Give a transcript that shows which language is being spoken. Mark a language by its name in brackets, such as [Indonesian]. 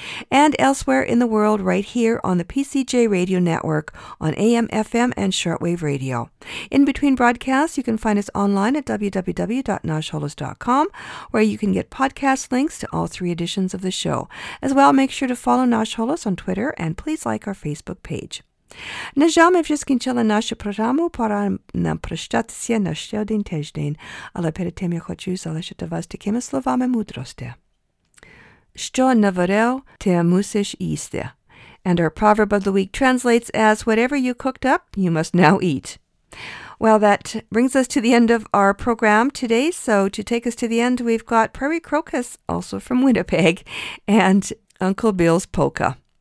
[English] And elsewhere in the world, right here on the PCJ Radio Network on AM, FM, and shortwave radio. In between broadcasts, you can find us online at www.nashholos.com, where you can get podcast links to all three editions of the show. As well, make sure to follow Nash Holos on Twitter, and please like our Facebook page. [Ukrainian] На жаль, ми вже скінчили нашу програму, пора нам прощатися на ще один тиждень. Але перед тим я хочу залишити вас такими словами мудрості. Що наварив, те мусиш їсти. [English] And our proverb of the week translates as, whatever you cooked up, you must now eat. Well, that brings us to the end of our program today. So to take us to the end, we've got Prairie Crocus, also from Winnipeg, and Uncle Bill's Polka.